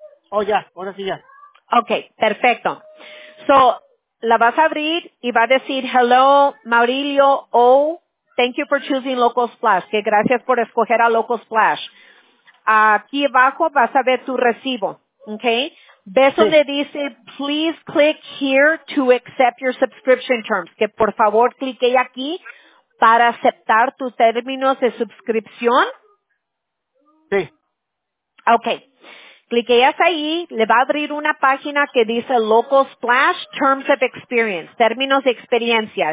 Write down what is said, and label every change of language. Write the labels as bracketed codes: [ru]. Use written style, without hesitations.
[es] Oh, ya, ahora sí ya. Okay, perfecto. So, la vas a abrir y va a decir, [en] hello, Maurilio, oh, thank you for choosing Local Splash. [es] Que gracias por escoger a Local Splash. Aquí abajo vas a ver tu recibo, okay? Ves sí. Donde dice, [en] please click here to accept your subscription terms. [es] Que por favor, clique aquí para aceptar tus términos de suscripción. Sí. [en] Okay. [es] Cliqueas ahí, le va a abrir una página que dice Local Splash Terms of Experience, términos de experiencia.